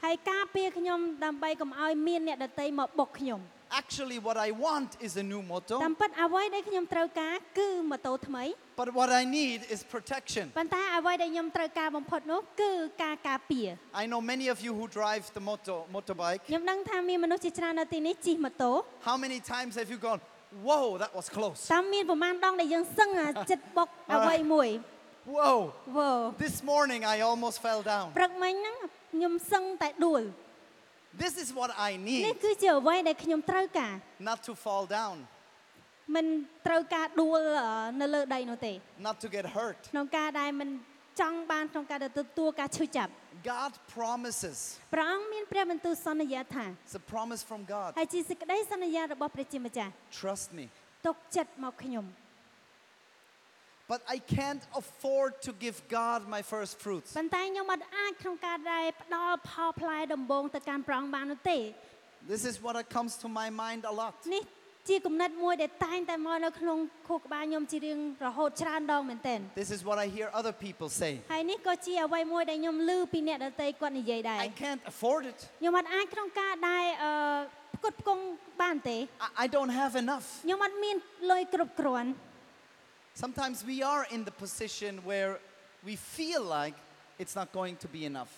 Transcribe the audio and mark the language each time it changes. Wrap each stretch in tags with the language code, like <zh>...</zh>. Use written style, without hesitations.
<km>ហើយការពារខ្ញុំដើម្បីកុំឲ្យមានអ្នកដទៃមកបុកខ្ញុំ</km> <en>Actually what I want is a new motto.</en> <km>តាមពិតអ្វីដែលខ្ញុំត្រូវការគឺម៉ូតូថ្មី</km> <en>But what I need is protection.</en> <km>ប៉ុន្តែអ្វីដែលខ្ញុំត្រូវការបំផុតនោះគឺការការពារ</km> <en>I know many of you who drive the motorbike.</en> <km>ខ្ញុំដឹងថាមានមនុស្សជាច្រើននៅទីនេះជិះម៉ូតូ</km> <en>How many times have you gone, "Whoa, that was close."</en> <km>តាមមានប្រហែលដងដែលយើងសឹងចិត្តបុកអ្វីមួយ</km> <en>Whoa. This morning I almost fell down.</en> <km>ព្រឹកមិញហ្នឹងខ្ញុំសឹងតែដួល</km> <en>This is what I need.</en> <km>នេះគឺជាអ្វីដែលខ្ញុំត្រូវការ</km> <en>Not to fall down.</en> <km>មិនត្រូវការដួលនៅលើដីនោះទេ</km> <en>Not to get hurt.</en> <km>ក្នុងការដែលមិនចង់បានក្នុងការទទួលការឈឺចាប់</km> <en>God promises.</en> <km>ព្រះអង្គមានព្រះបន្ទូលសន្យាថា</km> <en>It's a promise from God.</en> <km>ហើយជាសេចក្តីសន្យារបស់ព្រះជាម្ចាស់</km> <en>Trust me.</en> <km>ទុកចិត្តមកខ្ញុំ</km> <en>But I can't afford to give God my first fruits.</en> <km>ប៉ុន្តែខ្ញុំអត់អាចក្នុងការដែលផ្ដល់ផលផ្លែដំបូងទៅកាន់ព្រះបាននោះទេ</km> <en>This is what comes to my mind a lot.</en> <km>នេះជាគំនិតមួយដែលតែងតែមកនៅក្នុងខួរក្បាលខ្ញុំជារៀងរហូតច្រើនដងមែនទែន</km> <en>This is what I hear other people say.</en> <km>ហើយនេះក៏ជាអ្វីមួយដែលខ្ញុំឮពីអ្នកដទៃគាត់និយាយដែរ</km> <en>I can't afford it.</en> <km>ខ្ញុំអត់អាចក្នុងការដែលផ្គត់ផ្គង់បានទេ</km> <en>I don't have enough.</en> <km>ខ្ញុំអត់មានលុយគ្រប់គ្រាន់</km> <en>Sometimes we are in the position where we feel like it's not going to be enough.</en>